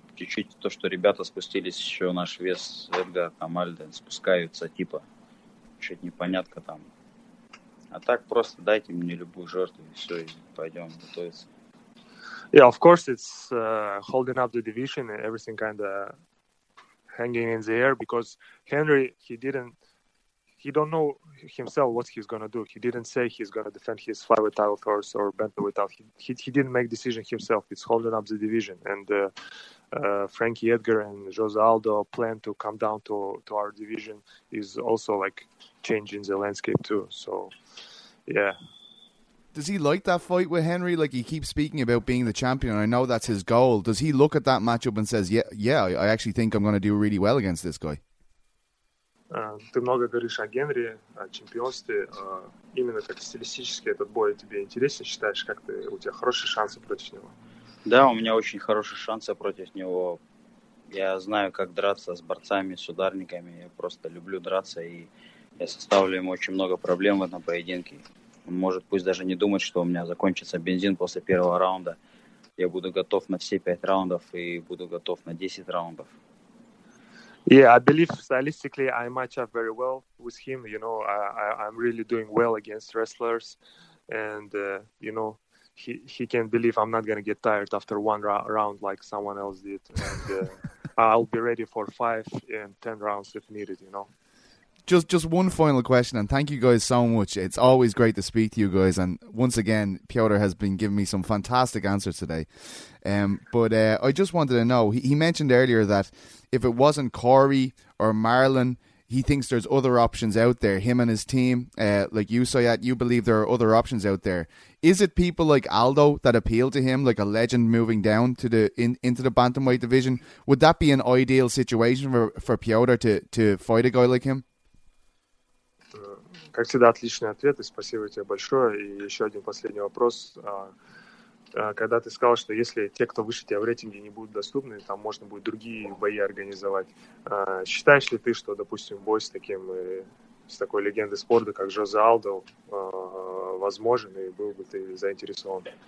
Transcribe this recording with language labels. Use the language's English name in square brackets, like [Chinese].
[Russian] Чуть-чуть то, что ребята спустились, еще наш вес, Эдгар, там, Альден, спускаются, типа, чуть непонятно там. А так просто дайте мне любую жертву, и все, и пойдем готовиться. [English] Yeah, of course, it's holding up the division and everything kind of hanging in the air, because Henry, he don't know himself what he's gonna do. He didn't say he's gonna defend his flyweight title first or bantamweight title. He didn't make decision himself. It's holding up the division, and Frankie Edgar and Jose Aldo plan to come down to our division is also like changing the landscape too. So yeah. Does he like that fight with Henry? Like, he keeps speaking about being the champion, and I know that's his goal. Does he look at that matchup and says, yeah, I actually think I'm going to do really well against this guy? [Russian] Ты много говоришь о Генри, о чемпионстве. Именно как стилистически этот бой тебе интересен, считаешь, как ты, у тебя хорошие шансы против него? Да, у меня очень хорошие шансы против него. Я знаю, как драться с борцами, с ударниками. Я просто люблю драться, и я составлю ему очень много проблем в этом поединке. Может, пусть даже не думать, что у меня закончится бензин после первого раунда. Я буду готов на все 5 раундов и буду готов на 10 раундов. [English] Yeah, I believe stylistically I match up very well with him. You know, I'm really doing well against wrestlers. And, you know, he can believe I'm not going to get tired after one round like someone else did. And I'll be ready for 5 and 10 rounds if needed, you know. Just one final question, and thank you guys so much. It's always great to speak to you guys, and once again, Piotr has been giving me some fantastic answers today. But I just wanted to know, he mentioned earlier that if it wasn't Corey or Marlon, he thinks there's other options out there, him and his team, like you, Soyat, you believe there are other options out there. Is it people like Aldo that appeal to him, like a legend moving down to into the bantamweight division? Would that be an ideal situation for Piotr to fight a guy like him? [Russian] Как всегда, отличный ответ, и спасибо тебе большое. И еще один последний вопрос. Когда ты сказал, что если те, кто выше тебя в рейтинге, не будут доступны, там можно будет другие бои организовать, считаешь ли ты, что, допустим, бой с такой легендой спорта, как Жозе Алдо, возможен, и был бы ты заинтересован?